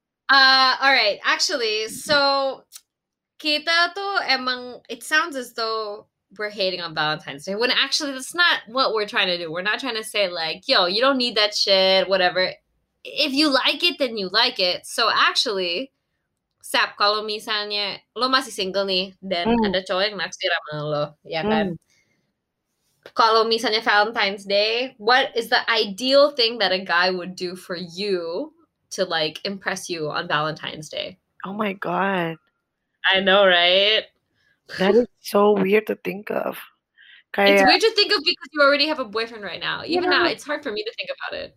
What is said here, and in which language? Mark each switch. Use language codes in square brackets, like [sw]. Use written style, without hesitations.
[en] All right. Actually, so [id] kita tuh emang [en] it sounds as though we're hating on Valentine's Day when actually that's not what we're trying to do. We're not trying to say like, yo, you don't need that shit, whatever. If you like it, then you like it. So actually, [id] Sap, kalau misalnya lo masih single nih, dan ada cowok yang naksir sama lo, ya kan? Kalau misalnya [en] Valentine's Day, what is the ideal thing that a guy would do for you to like impress you on Valentine's Day? Oh my god. I know, right? That is so weird to think of. Kayak, it's weird to think of because you already have a boyfriend right now. Even now, it's hard for me to think about it.